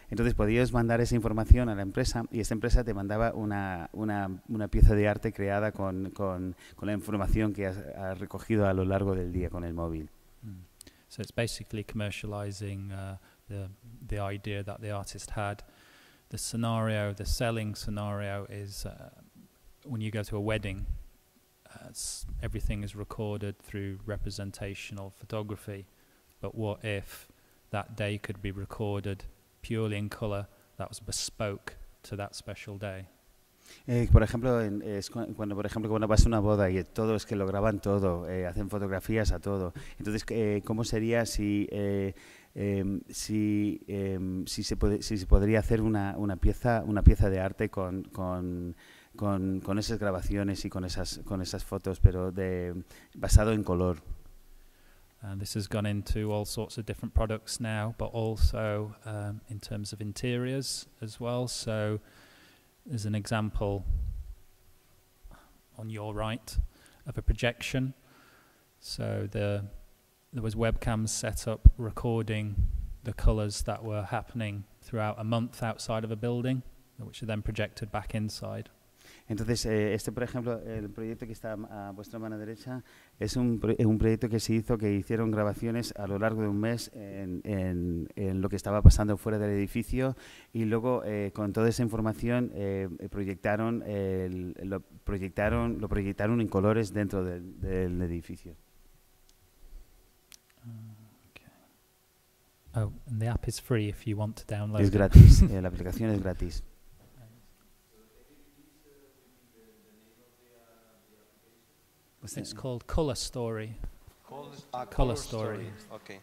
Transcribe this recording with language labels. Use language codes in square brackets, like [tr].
[es] Entonces podías mandar esa información a la empresa y esa empresa te mandaba una pieza de arte creada con la información que has recogido a lo largo del día con el móvil. [en] So it's basically commercializing the idea that the artist had. The scenario, the selling scenario is when you go to a wedding, everything is recorded through representational photography. But what if that day could be recorded purely in color that was bespoke to that special day? [es] Por ejemplo, cuando vas a una boda y todo es que lo graban todo, hacen fotografías a todo. Entonces, ¿cómo sería si se podría hacer una pieza de arte con esas grabaciones y con esas fotos, pero basado en color? [en] This has gone into all sorts of different products now, but also in terms of interiors as well. So there's an example on your right of a projection. So there was webcams set up recording the colors that were happening throughout a month outside of a building, which are then projected back inside. [es] Entonces, este, por ejemplo, el proyecto que está a vuestra mano derecha, es un proyecto que se hizo, que hicieron grabaciones a lo largo de un mes en lo que estaba pasando fuera del edificio, y luego con toda esa información proyectaron en colores dentro del edificio. [en] Okay. Oh, and the app is free if you want to download. [es] Es gratis, la aplicación es gratis. [en] It's called Color Story. Color Story. Okay.